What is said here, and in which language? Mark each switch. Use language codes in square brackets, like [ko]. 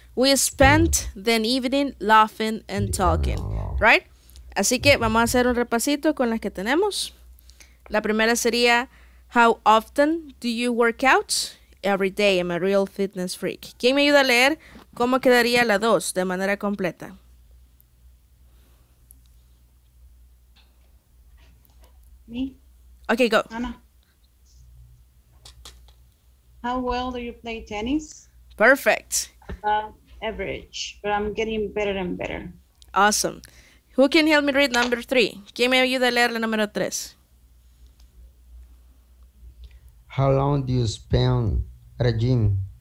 [en] We spent the evening laughing and talking, right? [es] Así que vamos a hacer un repasito con las que tenemos. La primera sería, [en] how often do you work out? Every day, I'm a real fitness freak. [es] ¿Quién me ayuda a leer cómo quedaría la dos de manera completa? [en] Me. Okay, go. Ana. How well do you play tennis? Perfect. Average, but I'm getting better and better. Awesome. Who can help me read number three? [es] ¿Quién me ayuda a leer la número tres? [en] How long do you spend at a gym?